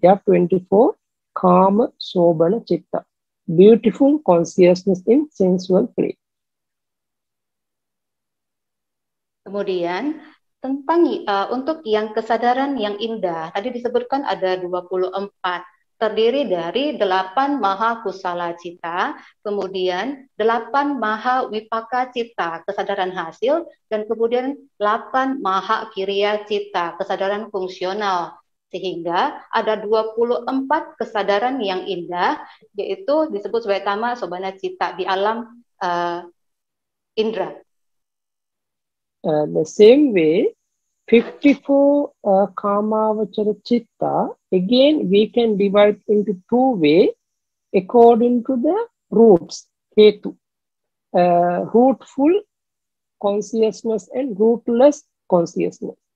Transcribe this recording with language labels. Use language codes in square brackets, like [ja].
[en] There are 24 kama sobana citta, beautiful consciousness in sensual play. [id] Kemudian tentang untuk yang kesadaran yang indah tadi disebutkan ada 24, terdiri dari 8 maha kusala cita, kemudian 8 maha wipaka cita, kesadaran hasil, dan kemudian 8 maha kriya cita, kesadaran fungsional, sehingga ada 24 kesadaran yang indah, yaitu disebut sebagai tama sobana cita di alam indra. [en] The same way, 54 kamavachara citta, again we can divide into two ways according to the roots, hetu, rootful consciousness and rootless consciousness.